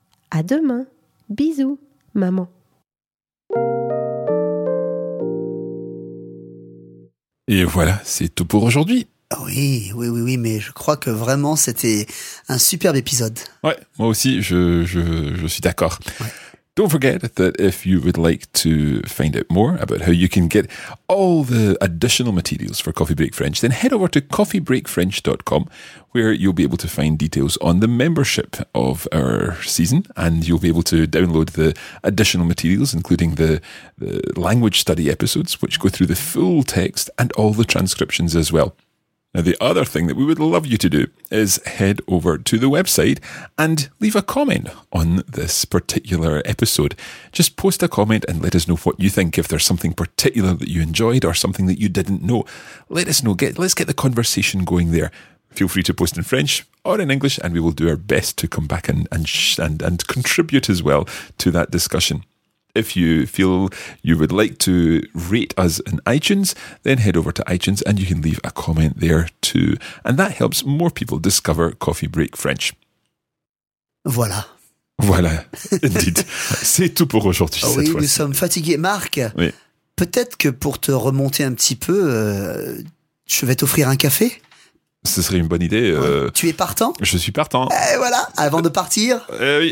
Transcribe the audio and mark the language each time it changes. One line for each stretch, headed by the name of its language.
French: À demain. Bisous, maman. Et voilà, c'est tout pour aujourd'hui. Oui, mais je crois que vraiment c'était un superbe épisode. Ouais, moi aussi, je suis d'accord. Ouais.
English: Don't forget that if you would like to find out more about how you can get all the additional materials for Coffee Break French, then head over to coffeebreakfrench.com, where you'll be able to find details on the membership of our season, and you'll be able to download the additional materials, including the language study episodes, which go through the full text and all the transcriptions as well. Now, the other thing that we would love you to do is head over to the website and leave a comment on this particular episode. Just post a comment and let us know what you think. If there's something particular that you enjoyed or something that you didn't know, let us know. Let's get the conversation going there. Feel free to post in French or in English, and we will do our best to come back and contribute as well to that discussion. If you feel you would like to rate us in iTunes, then head over to iTunes and you can leave a comment there too. And that helps more people discover Coffee Break French.
French: Voilà.
English: Voilà, indeed.
French: C'est tout pour aujourd'hui. Oui, cette fois-ci. Nous sommes fatigués. Marc, oui. Peut-être que pour te remonter un petit peu, je vais t'offrir un café. Ce serait une bonne idée. Ouais. Tu es partant? Je suis partant. Et voilà, avant de partir, oui.